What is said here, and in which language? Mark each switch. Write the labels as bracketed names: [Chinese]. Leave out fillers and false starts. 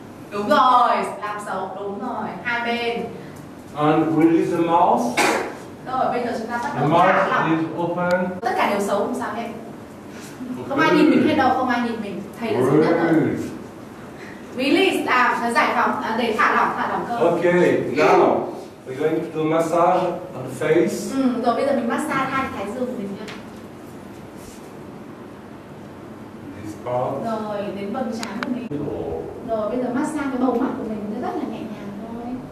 [Vietnamese] Đúng rồi, làm xấu, đúng rồi, hai bên. [English] And release the mouth. [Vietnamese] Rồi bây giờ chúng ta bắt đầu thả lỏng. [English] The mouth is open. [Vietnamese] Tất cả đều xấu, không sao hết. Không ai nhìn mình hết đâu, không ai nhìn mình. Thầy là duy nhất rồi. Release là giải phóng, để thả lỏng cơ. [English] Okay, now we're going to do massage on the face. [Vietnamese] Ừ, rồi bây giờ mình massage hai cái thái dương của mình nhá. [English] This part. [Vietnamese] Rồi, đến bầm trán của mình. Rồi, bây giờ massage cái bầu mắt của mình, nó rất là nhẹ nhàng thôi.